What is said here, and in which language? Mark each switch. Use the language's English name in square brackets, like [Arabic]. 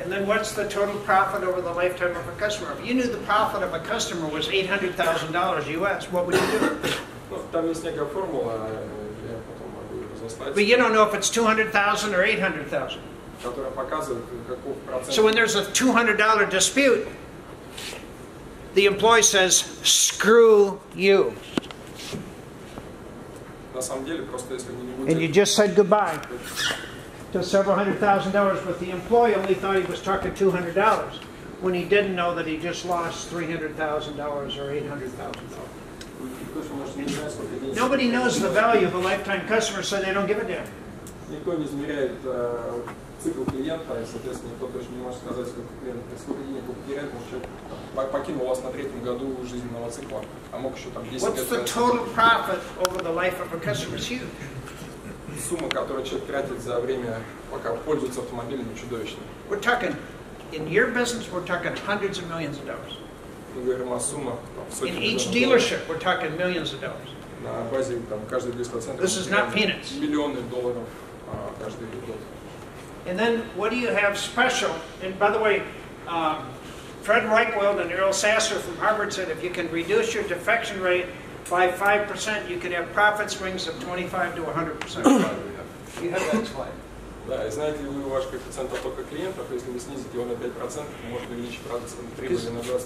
[English] And then, what's the total profit over the lifetime of a customer? If you knew the profit of a customer was $800,000 US, what would you do? [Russian] Там есть некая формула, я потом могу заставить. [English] But you don't know if it's $200,000 or $800,000. [Russian] Которая показывает, каков процент. [English] So when there's a $200 dispute, the employee says, "Screw you." And you just said goodbye to several hundred thousand dollars, but the employee only thought he was talking $200 when he didn't know that he just lost $300,000 or $800,000. Nobody knows the value of a lifetime customer, so they don't give a damn. [Russian] никто не измеряет цикл клиента, и, соответственно, никто точно не может сказать, сколько денег клиент вообще покинул вас на третьем году жизненного цикла, а мог еще там 10 [English] What's the total profit over the life of a customer? [Russian] Сумма, которую человек тратит за время, пока пользуется автомобилем, чудовищная. [English] We're talking, in your business, we're talking hundreds of millions of dollars. [Russian] Мы говорим о суммах, [English] in each dealership, we're talking millions of dollars. [Russian] На базе, там, каждый дистанционный... [English] This is not peanuts. [Russian] Миллионы долларов каждый год. [English] And then, what do you have special? And by the way, Fred Reichwald and Earl Sasser from Harvard said, if you can reduce your defection rate by 5%, you can have profit swings of 25% to 100%. You have that slide. [Russian] Да, и знаете ли вы ваш коэффициент оттока клиентов, если вы снизите его на 5%, то можно увеличить процент прибыли на